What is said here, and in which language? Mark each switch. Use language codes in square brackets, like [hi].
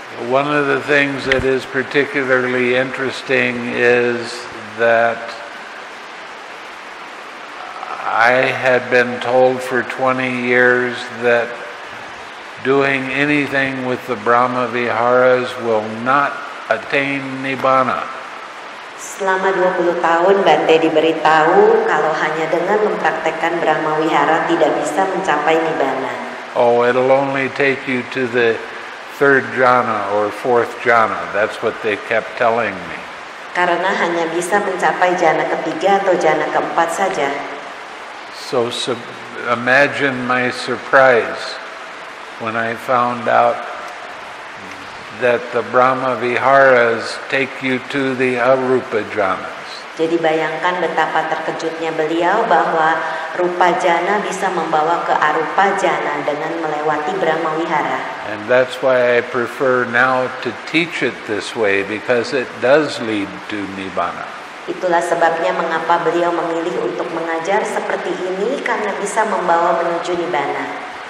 [en] One of the things that is particularly interesting is that I had been told for 20 years that doing anything with the Brahma Viharas will not attain Nibbana. [id] Selama 20 tahun Bhante diberitahu kalau hanya dengan mempraktekkan Brahma Vihara tidak bisa mencapai Nibbana. [en] oh, it'll only take you to the third jhana or fourth jhana. That's what they kept telling me. [id] Karena hanya bisa mencapai jhana ketiga atau jhana keempat saja. [en] So imagine my surprise when I found out that the Brahma Viharas take you to the Arupa Jhanas. [id] Jadi bayangkan betapa terkejutnya beliau bahwa Rupa Jhana bisa membawa ke Arupa Jhana dengan melewati Brahma Vihara. [en] And that's why I prefer now to teach it this way, because it does lead to Nibbana. [id] Itulah sebabnya mengapa beliau memilih untuk mengajar seperti ini, karena bisa membawa menuju Nibbana.